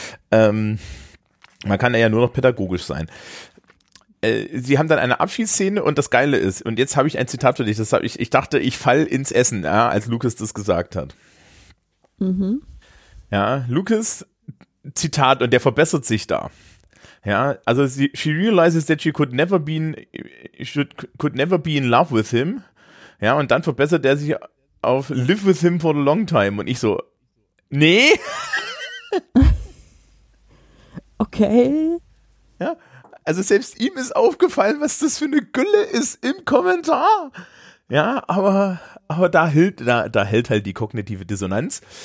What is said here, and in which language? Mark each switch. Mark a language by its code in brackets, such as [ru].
[de] Man kann ja nur noch pädagogisch sein. Sie haben dann eine Abschiedsszene und das Geile ist, und jetzt habe ich ein Zitat für dich, das habe ich, ich dachte, ich falle ins Essen, ja, als Lucas das gesagt hat. Mhm. Ja, Lucas, Zitat, und der verbessert sich da. Ja, also [en] she realizes that she could never be in love with him. [de] Ja, und dann verbessert er sich auf [en] live with him for the long time. [de] Und ich so, nee. Okay. Ja. Also selbst ihm ist aufgefallen, was das für eine Gülle ist im Kommentar. Ja, aber da hält halt die kognitive Dissonanz.